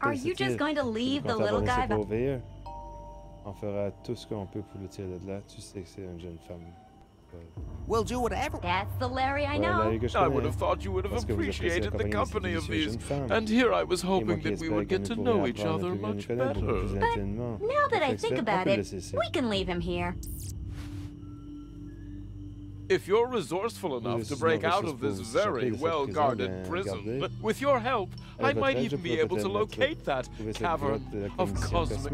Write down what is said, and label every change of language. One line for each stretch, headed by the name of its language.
English: Are you just going to leave the little guy?
French: On fera tout ce qu'on peut pour le tirer de là. Tu sais que c'est une jeune femme.
English: We'll do whatever. That's the Larry I know. I would have thought you would have appreciated the company of these. And here I was hoping that we would get to know each other much better. But now that I think about it, we can leave him here. If you're resourceful enough to break out of this very well-guarded prison, with your help, I might even be able to locate that cavern of cosmic.